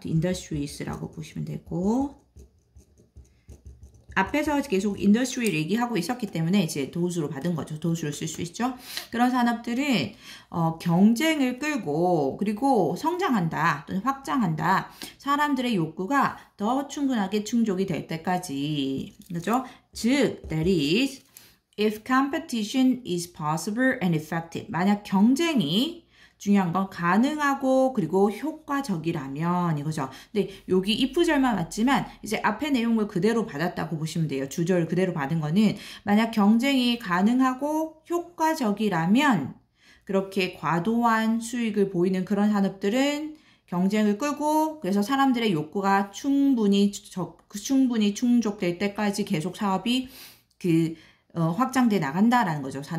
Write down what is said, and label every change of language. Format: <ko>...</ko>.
<ko>industries라고 보시면 되고 앞에서 계속 industry를 얘기하고 있었기 때문에 이제 those로 받은 거죠. those를 쓸 수 있죠. 그런 산업들은 경쟁을 끌고 그리고 성장한다 또는 확장한다. 사람들의 욕구가 더 충분하게 충족이 될 때까지. 그죠?</ko> <en>즉, that is, if competition is possible and effective.</en> <ko>만약 경쟁이 중요한 건 가능하고 그리고 효과적이라면 이거죠. 근데 여기 if절만 맞지만 이제 앞에 내용을 그대로 받았다고 보시면 돼요. 주절을 그대로 받은 거는 만약 경쟁이 가능하고 효과적이라면 그렇게 과도한 수익을 보이는 그런 산업들은 경쟁을 끌고 그래서 사람들의 욕구가 충분히 충족될 때까지 계속 사업이 확장돼 나간다라는 거죠.</ko>